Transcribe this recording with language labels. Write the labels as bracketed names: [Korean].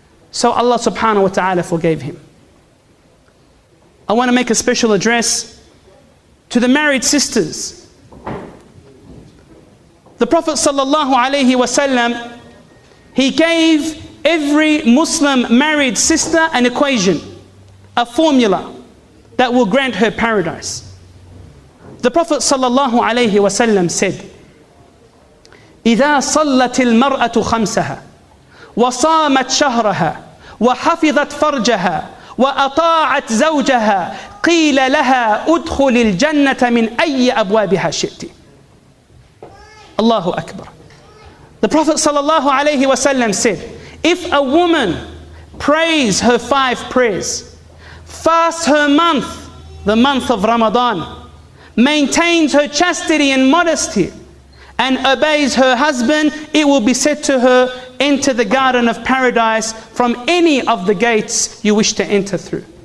[English] So Allah subhanahu wa ta'ala forgave him. I want to make a special address to the married sisters. The Prophet sallallahu alayhi wasallam, he gave every Muslim married sister an equation, a formula that will grant her paradise. The Prophet sallallahu alayhi wasallam said, [Arabic] إِذَا صَلَّتِ الْمَرْأَةُ خَمْسَهَا وَصَامَتْ شَهْرَهَا وَحَفِظَتْ فَرْجَهَا وَأَطَاعَتْ زَوْجَهَا قِيلَ لَهَا أُدْخُلِ الْجَنَّةَ مِنْ أَيِّ أَبْوَابِهَا شِئْتِ. Allahu Akbar. [English] The Prophet sallallahu alayhi wasallam said, if a woman prays her five prayers, fasts her month, the month of Ramadan, maintains her chastity and modesty, and obeys her husband, it will be said to her, enter the garden of paradise from any of the gates you wish to enter through.